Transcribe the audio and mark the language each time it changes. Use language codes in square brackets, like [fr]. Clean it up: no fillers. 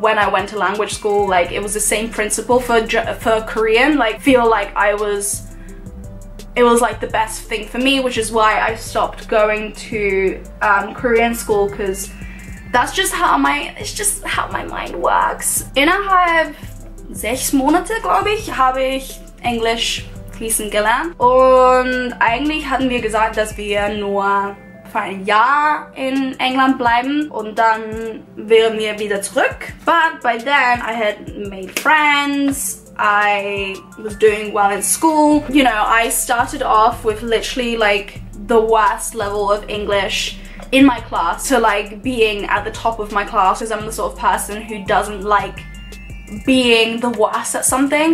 [en] When I went to language school, like it was the same principle for Korean. Like feel like I was, it was like the best thing for me, which is why I stopped going to Korean school, because that's just how my, it's just how my mind works. [de] Innerhalb 6 Monate, glaube ich, habe ich Englisch fließend gelernt. Und eigentlich hatten wir gesagt, dass wir nur für ein Jahr in England bleiben und dann wären wir wieder zurück. [en] But by then I had made friends, I was doing well in school. You know, I started off with literally like the worst level of English in my class to like being at the top of my class, because I'm the sort of person who doesn't like being the worst at something.